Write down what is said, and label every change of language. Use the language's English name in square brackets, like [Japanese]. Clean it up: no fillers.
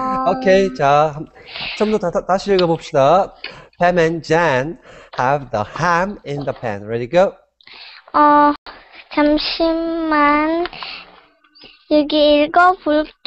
[Korean] 오케이, 자, 좀더 다시 읽어봅시다. [English] Pam and Jan have the ham in the pan. Ready, go. [Korean] 잠시만, 여기 읽어볼게요.